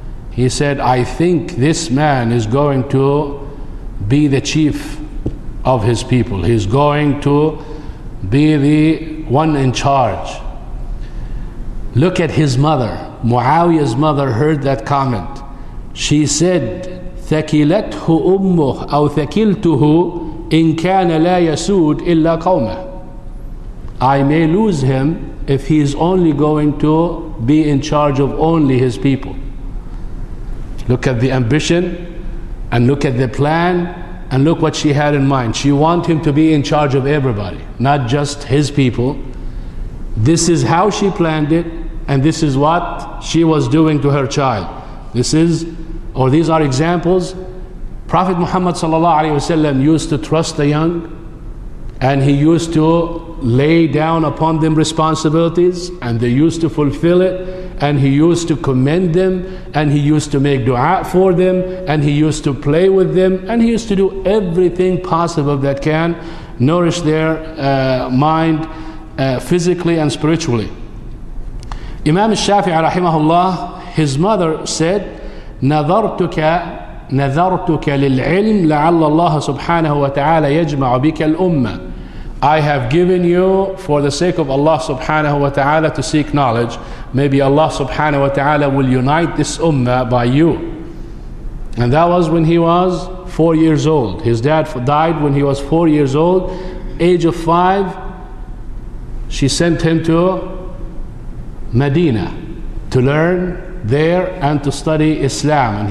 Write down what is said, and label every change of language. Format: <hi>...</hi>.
<en>He said, I think this man is going to be the chief of his people. He's going to be the one in charge. Look at his mother. Muawiyah's mother heard that comment. She said,</en> <ar>ثَكِلَتْهُ أُمُّهُ أَوْ ثَكِلْتُهُ إِنْ كَانَ لَا يَسُودُ إِلَّا قَوْمًا.</ar> <en>I may lose him if he is only going to be in charge of only his people. Look at the ambition, and look at the plan, and look what she had in mind. She wanted him to be in charge of everybody, not just his people. This is how she planned it, and this is what she was doing to her child. These are examples. Prophet Muhammad sallallahu alaihi wasallam used to trust the young, and he used to lay down upon them responsibilities, and they used to fulfill it, and he used to commend them, and he used to make dua for them, and he used to play with them, and he used to do everything possible that can nourish their mind physically and spiritually. Imam al-Shafi'i rahimahullah, his mother said,</en> <ar>نَذَرْتُكَ لِلْعِلْمِ لَعَلَّ اللَّهَ سُبْحَانَهُ وَتَعَالَى يَجْمَعُ بِكَ الْأُمَّةِ.</ar> <en>I have given you for the sake of Allah subhanahu wa ta'ala to seek knowledge. Maybe Allah subhanahu wa ta'ala will unite this ummah by you. And that was when he was 4 years old. His dad died when he was 4 years old. Age of 5, she sent him to Medina to learn there and to study Islam.</en>